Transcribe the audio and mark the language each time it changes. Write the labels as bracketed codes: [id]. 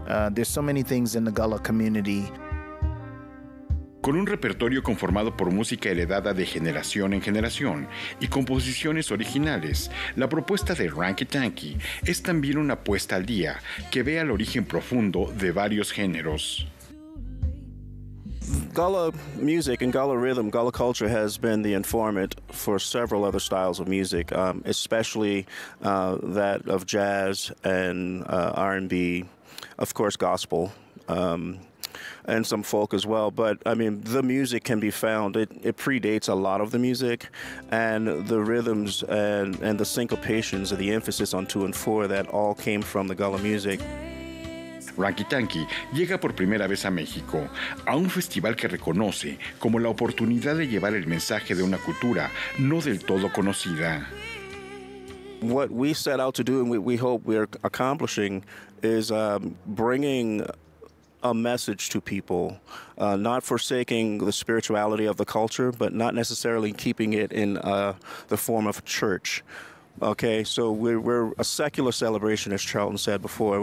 [en] There's so many things in the Gullah community. [es] Con un repertorio conformado por música heredada de generación en generación y composiciones originales, la propuesta de Ranky Tanky es también una apuesta al día que ve al origen profundo de varios géneros. [en] Gullah music and Gullah rhythm, Gullah culture has been the informant for several other styles of music, especially that of jazz and R&B, of course gospel, and some folk as well. But I mean, the music can be found, it predates a lot of the music, and the rhythms and the syncopations and the emphasis on 2 and 4 that all came from the Gullah music. [es] Ranky Tanky llega por primera vez a México, a un festival que reconoce como la oportunidad de llevar el mensaje de una cultura no del todo conocida. [en] What we set out to do and we hope we're accomplishing is bringing a message to people, not forsaking the spirituality of the culture, but not necessarily keeping it in the form of church. Okay, so we're a secular celebration, as Charlton said before.